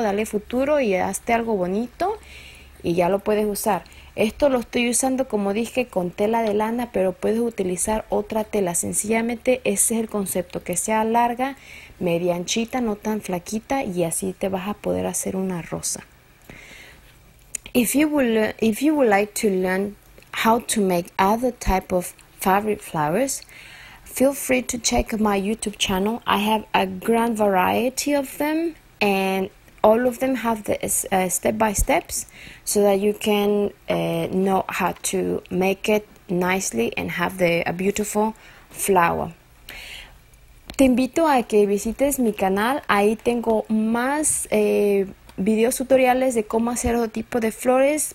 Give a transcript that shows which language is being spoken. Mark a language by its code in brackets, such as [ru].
[es] Dale futuro y hazte algo bonito y ya lo puedes usar. Esto lo estoy usando, como dije, con tela de lana, pero puedes utilizar otra tela. Sencillamente ese es el concepto, que sea larga, media anchita, no tan flaquita, y así te vas a poder hacer una rosa. [en] If you would like to learn how to make other type of fabric flowers, feel free to check my YouTube channel. I have a grand variety of them, and all of them have the step by steps so that you can know how to make it nicely and have a beautiful flower. [es] Te invito a que visites mi canal. Ahí tengo más videos tutoriales de cómo hacer otro tipo de flores.